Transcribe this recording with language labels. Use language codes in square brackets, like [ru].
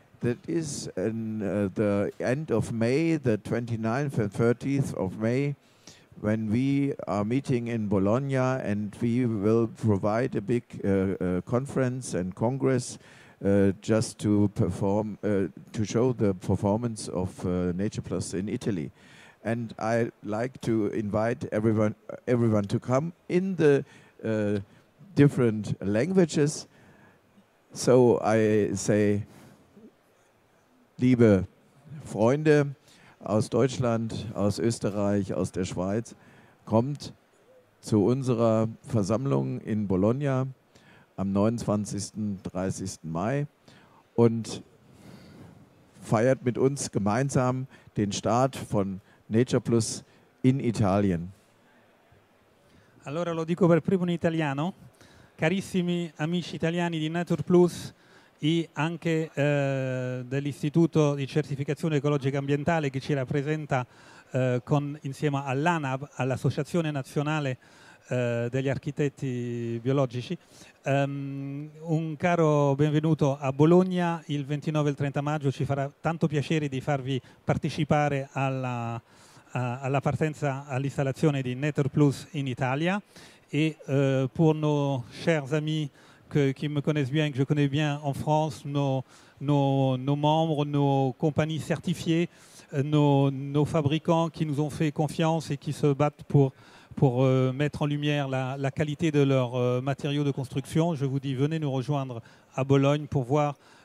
[en] That is in the end of May, the 29th and 30th of May, when we are meeting in Bologna, and we will provide a big conference and congress just to perform, to show the performance of Nature Plus in Italy. And I like to invite everyone to come in the different languages. So I say, [de] liebe Freunde aus Deutschland, aus Österreich, aus der Schweiz, kommt zu unserer Versammlung in Bologna am 29. 30. Mai und feiert mit uns gemeinsam den Start von Nature Plus in Italien. [it] Allora lo dico per primo in italiano. Carissimi amici italiani di Nature Plus e anche dell'Istituto di Certificazione Ecologica Ambientale che ci rappresenta con, insieme all'ANAB, all'Associazione Nazionale degli Architetti Biologici. Un caro benvenuto a Bologna il 29 e il 30 maggio. Ci farà tanto piacere di farvi partecipare alla partenza, all'installazione di Nature Plus in Italia. [fr] Et pour nos chers amis qui me connaissent bien, que je connais bien en France, nos membres, nos compagnies certifiées, nos fabricants qui nous ont fait confiance et qui se battent pour mettre en lumière la qualité de leurs matériaux de construction, je vous dis, venez nous rejoindre à Bologne pour voir